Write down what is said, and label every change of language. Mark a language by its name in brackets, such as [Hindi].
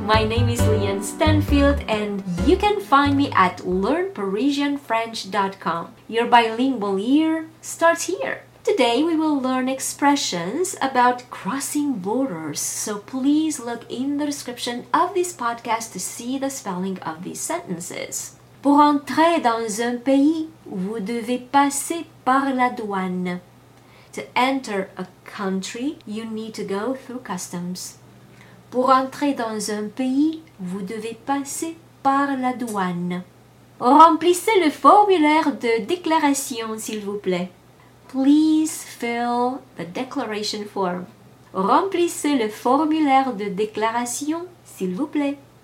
[English] My name is Leanne Stanfield, and you can find me at learnparisianfrench.com. Your bilingual year starts here. Today we will learn expressions about crossing borders, so please look in the description of this podcast to see the spelling of these sentences. [French] Pour entrer dans un pays, vous devez passer par la douane. [English] To enter a country, you need to go through customs. [French] Pour entrer dans un pays, vous devez passer par la douane. Remplissez le formulaire de déclaration, s'il vous plaît. [English] Please fill the declaration form. [French] Remplissez le formulaire de déclaration, s'il vous plaît.